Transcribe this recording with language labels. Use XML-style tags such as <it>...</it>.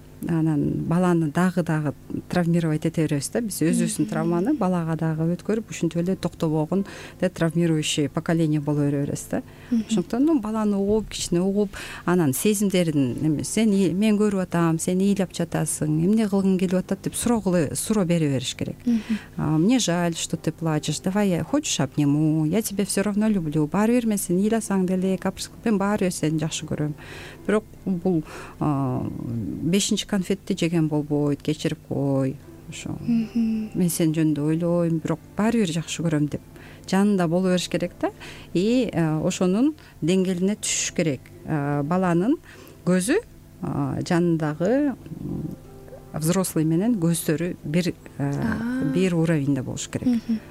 <ky>анан баланы дагы травмировать эте беребиз да биз өзүбүздүн травманы балага дагы өткөрүп ушинтип эле токтобогон травмирующий поколение боло беребиз да. Ошондуктан баланы угуп кичине угуп анан сезимдерин сен мен көрүп атам сен ыйлап жатасың эмне кылгың келип атат деп суроо бере бериш керек.</ky> <ru>Мне жаль что ты плачешь, давай хочешь обниму, я тебя все равно люблю,</ru> <ky>баары бир мен сени ыйласаң деле мен баары бир сени жакшы көрөм. Бирок бул бешинчи конфетти жеген болбойт, кечирип кой, ошо мен сени жөнүндө ойлойм, бирок баары бир жакшы көрөм деп жанында боло бериш керек да. И ошонун деңгээлине түшүш керек. Баланын көзү жанындагы взрослый менен көздөрү бир уровеньде болуш керек.</ky>